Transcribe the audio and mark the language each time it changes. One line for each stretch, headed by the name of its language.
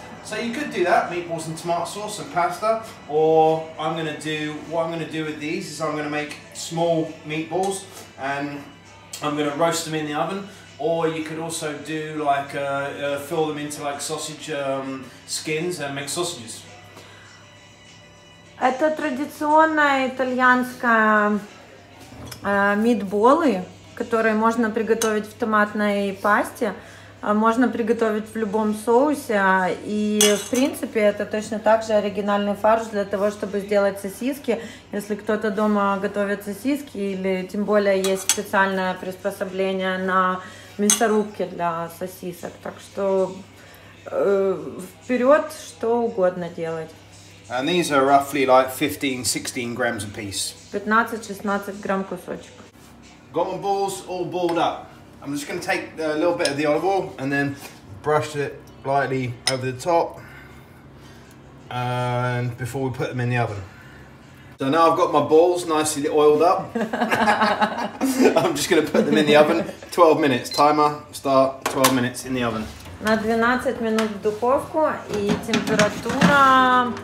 English: So you could do that, meatballs and tomato sauce and pasta, or what I'm gonna do with these is I'm gonna make small meatballs and I'm gonna roast them in the oven. Or you could also do like fill them into like sausage skins and make sausages.
Russian: Это традиционная итальянская митболы, которые можно приготовить в томатной пасте, можно приготовить в любом соусе, и в принципе это точно так же оригинальный фарш для того, чтобы сделать сосиски, если кто-то дома готовит сосиски, или тем более есть специальное приспособление на мясорубки для сосисок, так что вперед, что угодно делать.
English: And these are roughly like 15-16 grams a piece.
Russian: 15-16 грамм кусочек.
English: Got my balls all balled up. I'm just gonna take a little bit of the olive oil and then brush it lightly over the top and before we put them in the oven. So now I've got my balls nicely oiled up. I'm just gonna put them in the oven. 12 minutes, timer, start 12 minutes in the oven.
Russian: На 12 минут в духовку и температура...